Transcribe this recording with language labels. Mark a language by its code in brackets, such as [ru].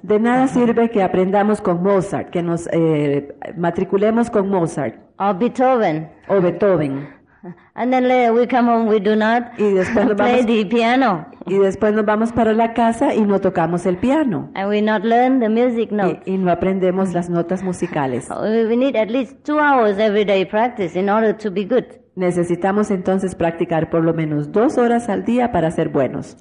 [es] De nada sirve que aprendamos con Mozart, que nos matriculemos con Mozart. [en] Or Beethoven. [es] O Beethoven. [en] And then later we come home, we do not play the piano. [es] Y después nos vamos para la casa y no tocamos el piano. [en] And we not learn the music notes. [es] Y no aprendemos las notas musicales. [en] We need at least 2 hours every day practice in order to be good. [es] Necesitamos entonces practicar por lo menos 2 horas al día para ser buenos.